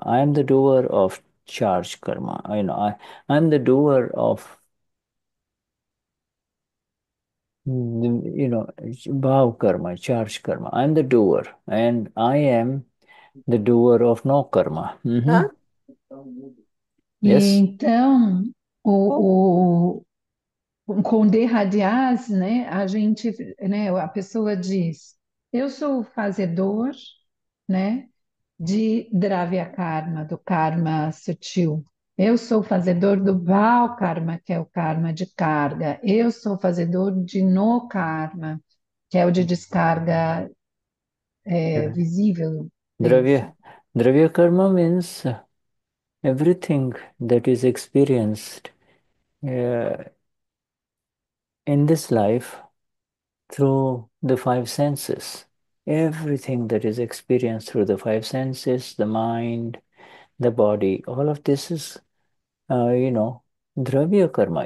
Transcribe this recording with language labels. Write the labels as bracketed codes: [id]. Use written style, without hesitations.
[en] I am the doer of charge karma. I'm the doer of bhav karma, charge karma. I'm the doer, and I am the doer of no karma. [pt] Tá? [en] Yes. [pt] Então, com Dehadias, né, a gente, né, a pessoa diz: eu sou o fazedor, né, de Dravya Karma, do karma sutil. Eu sou o fazedor do Bal Karma, que é o karma de carga. Eu sou o fazedor de No Karma, que é o de descarga, visível, denso. [en] Dravya karma means everything that is experienced in this life through the five senses. Everything that is experienced through the five senses, the mind, the body, all of this is, dravya karma.